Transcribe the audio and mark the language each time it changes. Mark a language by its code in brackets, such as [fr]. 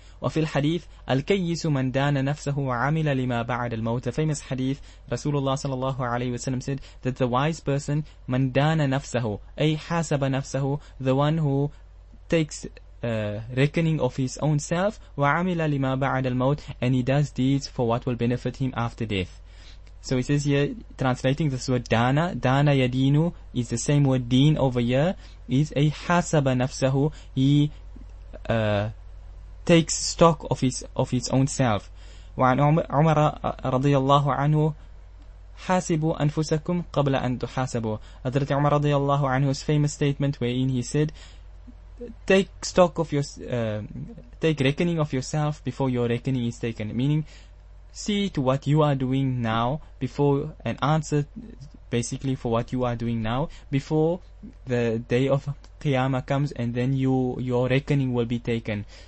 [ar] وفي الحديث الكيس من دان نفسه وعمل لما بعد الموت. [en] A famous hadith, Rasulullah صلى الله عليه وسلم said that the wise person [ar] من دان نفسه أي حاسب نفسه, [en] the one who takes reckoning of his own self, [ar] وعمل لما بعد الموت, [en] and he does deeds for what will benefit him after death. So he says here, translating this word dana, dana yadinu, is the same word deen over here, is a [ar] hasaba nafsahu, [en] he takes stock of his own self. [ar] وعن عمر رضي الله عنه حاسبوا أنفسكم قبل أن تحاسبوا. [en] حضرت عمر رضي الله عنه's famous statement wherein he said, take stock of your, take reckoning of yourself before your reckoning is taken. Meaning, see to what you are doing now before, and answer basically for what you are doing now before the day of Qiyamah comes, and then your reckoning will be taken.